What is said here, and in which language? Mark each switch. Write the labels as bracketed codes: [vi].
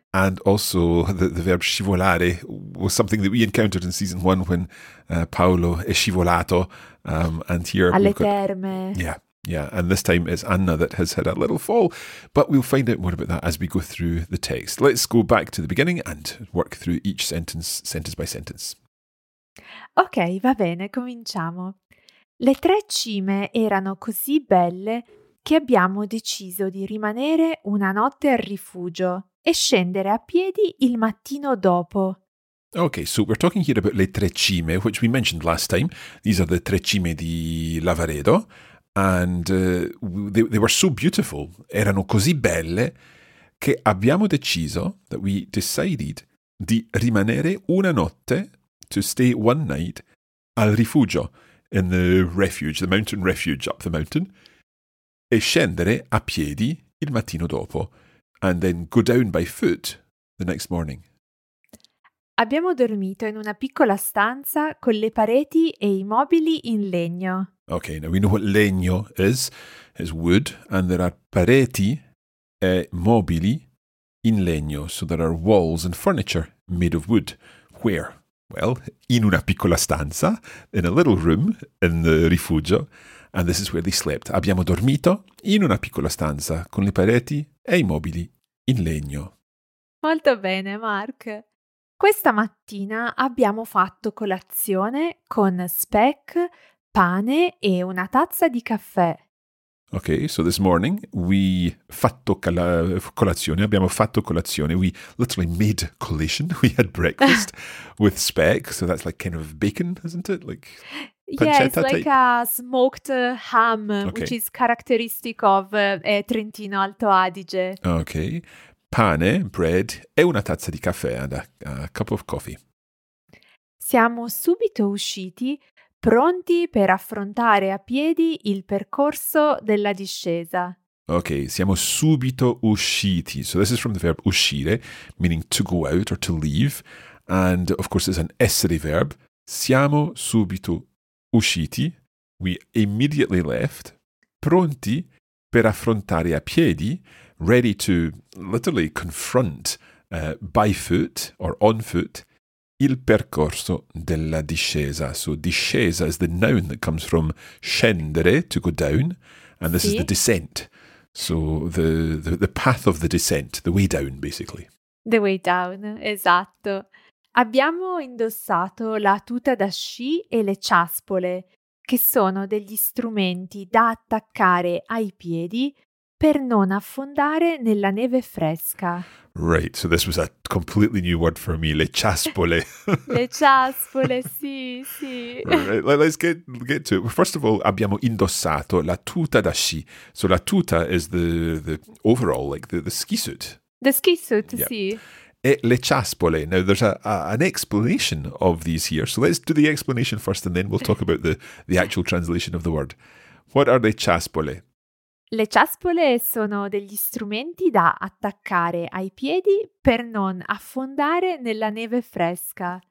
[en] And also the verb scivolare was something that we encountered in season one when [it] Paolo è scivolato. [en] And here [it] alle terme. [en] Yeah. Yeah, and this time it's Anna that has had a little fall, but we'll find out more about that as we go through the text. Let's go back to the beginning and work through each sentence by sentence. [it] Ok, va bene, cominciamo. Le tre cime erano così belle che abbiamo deciso di rimanere una notte al rifugio e scendere a piedi il mattino dopo. [en] Okay, so we're talking here about le tre cime, which we mentioned last time. These are the tre cime di Lavaredo. And they were so beautiful, [it] erano così belle, che abbiamo deciso, [en] that we decided, [it] di rimanere una notte, [en] to stay one night, [it] al rifugio, [en] in the refuge, the mountain refuge up the mountain, [it] e scendere a piedi il mattino dopo, [en] and then go down by foot the next morning. [it] Abbiamo dormito in una piccola stanza con le pareti e i mobili in legno. [en] Okay, now we know what legno is. It's wood, and there are [it] pareti e mobili in legno. [en] So there are walls and furniture made of wood. Where? Well, [it] in una piccola stanza, [en] in a little room in the rifugio, and this is where they slept. [it] Abbiamo dormito in una piccola stanza con le pareti e i mobili in legno. Molto bene, Mark. Questa mattina abbiamo fatto colazione con speck, pane e una tazza di caffè. [en] Okay, so this morning we fatto colazione, [it] abbiamo fatto colazione. [en] We literally made collation. We had breakfast with speck, so that's like kind of bacon, isn't it? Like pancetta. Yeah, it's type. Like a smoked ham, okay. Which is characteristic of Trentino Alto Adige. Okay. Pane, bread [it] e una tazza di caffè [en] and a cup of coffee. [it] Siamo subito usciti, pronti per affrontare a piedi il percorso della discesa. Ok, siamo subito usciti. [en] So this is from the verb uscire, meaning to go out or to leave. And of course it's an essere verb. [it] Siamo subito usciti, [en] we immediately left, [it] pronti per affrontare a piedi, [en] ready to literally confront by foot or on foot, [it] il percorso della discesa. [en] So discesa is the noun that comes from scendere, to go down, and this is the descent. So the path of the descent, the way down, basically. The way down, esatto. [it] Abbiamo indossato la tuta da sci e le ciaspole, che sono degli strumenti da attaccare ai piedi per non affondare nella neve fresca. [en] Right, so this was a completely new word for me, le ciaspole. [it] Le ciaspole, sì, sì. [en] Right, let's get to it. First of all, [it] abbiamo indossato la tuta da sci. [en] So la tuta is the overall, like the ski suit. The ski suit, yep. Sì. E le ciaspole. Now, there's an explanation of these here. So let's do the explanation first and then we'll talk about the actual translation of the word. What are le ciaspole? [it] Le ciaspole sono degli strumenti da attaccare ai piedi per non affondare nella neve fresca.